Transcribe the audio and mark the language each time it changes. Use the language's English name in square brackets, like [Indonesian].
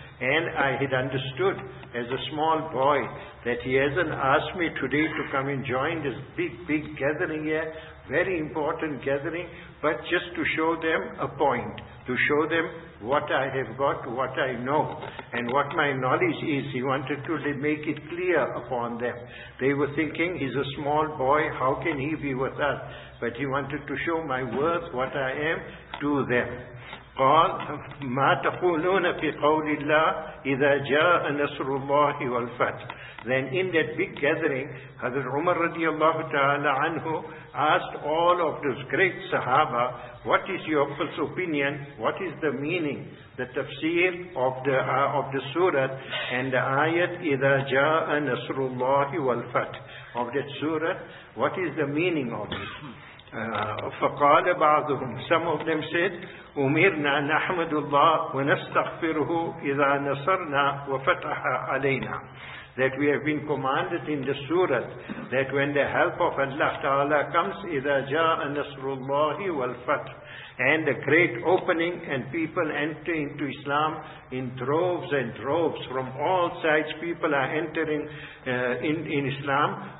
[English] And I had understood as a small boy that he hasn't asked me today to come and join this big gathering here, very important gathering, but just to show them a point, to show them what I have got, what I know, and what my knowledge is. He wanted to make it clear upon them. They were thinking, he's a small boy, how can he be with us? But he wanted to show my worth, what I am, to them. [Arabic] قال ما تقولون في قول الله إذا جاء نصر الله والفتح. [English] Then in that big gathering, Hazrat Umar radiallahu ta'ala anhu asked all of those great Sahaba, what is your first opinion, what is the meaning, the tafsir of the surah and the ayat [Arabic] إذا جاء نصر الله والفتح [English] of that surah, what is the meaning of it? [Arabic] فقال بعضهم سمو بن مسد أمرنا نحمد الله ونستغفره إذا نصرنا وفتح علينا. [English] That we have been commanded in the surah that when the help of Allah Ta'ala comes, [Arabic] إِذَا جَاءَ نَصْرُ اللَّهِ وَالْفَتْحِ, [English] and a great opening and people enter into Islam in droves and droves from all sides, people are entering in Islam.